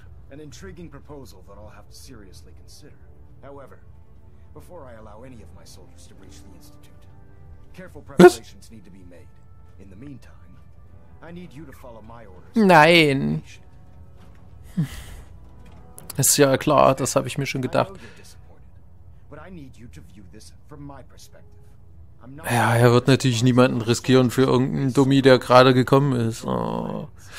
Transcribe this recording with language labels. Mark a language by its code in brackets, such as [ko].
[en] An intriguing proposal that I'll have to seriously consider. However, before I allow any of my soldiers to breach the Institute, careful preparations need to be made. In the meantime, I need you to follow my orders. [de] Nein! Ist ja klar, das habe ich mir schon gedacht. [en] But I need you to view this from my perspective. [de] Ja, er wird natürlich niemanden riskieren für irgendeinen Dummi, der gerade gekommen ist. Oh.